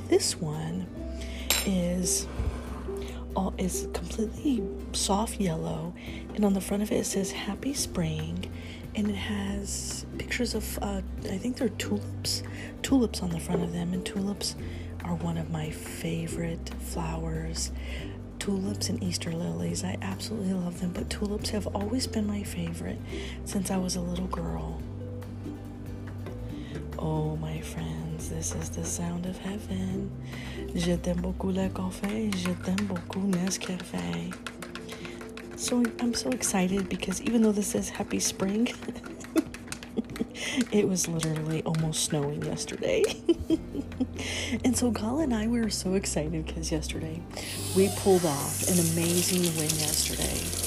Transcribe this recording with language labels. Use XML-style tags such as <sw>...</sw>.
<en>This one is completely soft yellow, and on the front of it it says Happy Spring, and it has pictures of I think they're tulips on the front of them. And tulips are one of my favorite flowers, tulips and Easter lilies. I absolutely love them, but tulips have always been my favorite since I was a little girl. Oh, my friends, this is the sound of heaven.</en> <fr>Je t'aime beaucoup le café, je t'aime beaucoup Nescafé.</fr> <en>So I'm so excited because even though this says Happy Spring, it was literally almost snowing yesterday. And so Kyle and I were so excited because yesterday we pulled off an amazing win yesterday.</en>